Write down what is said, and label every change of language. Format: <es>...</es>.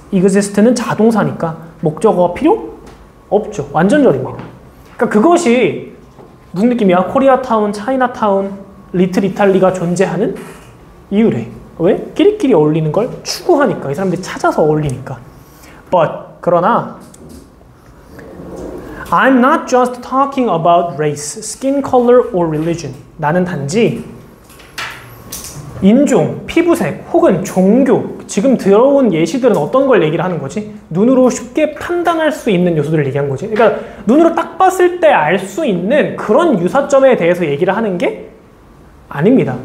<ko>exist는 자동사니까 목적어가 필요 없죠. 완전절입니다. 그러니까 그것이 무슨 느낌이야? Koreatown, Chinatown, Little Italy가 존재하는 이유래. 왜? 끼리끼리 어울리는 걸 추구하니까. 이 사람들이 찾아서 어울리니까.</ko> <en>But</en> <ko>그러나</ko> <en>I'm not just talking about race, skin color, or religion.</en> <ko>나는 단지 인종, 피부색, 혹은 종교. 지금 들어온 예시들은 어떤 걸 얘기를 하는 거지? 눈으로 쉽게 판단할 수 있는 요소들을 얘기한 거지. 그러니까 눈으로 딱 봤을 때 알 수 있는 그런 유사점에 대해서 얘기를 하는 게 아닙니다.</ko>